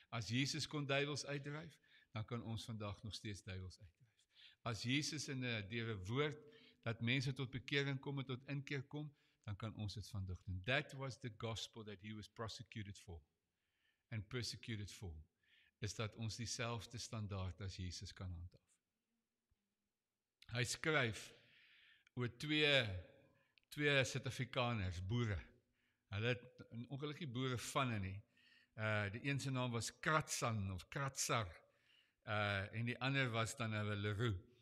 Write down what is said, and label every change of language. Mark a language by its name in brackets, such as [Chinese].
[Afrikaans] As Jesus kon duivels uitdryf, dan kan ons vandag nog steeds duivels uitdryf. As Jesus in die woord dat mense tot bekering kom en tot inkeer kom, dan kan ons het vandag doen. [English] That was the gospel that he was prosecuted for and persecuted for, [Afrikaans] is dat ons dieselfde standaard as Jesus kan handhaaf. Hy skryf oor twee Suid-Afrikaners, boere. Hulle het ongelukkig boere vanne nie. Die een se naam was Kratsan of Kratsar, en die ander was dan nou Leroux.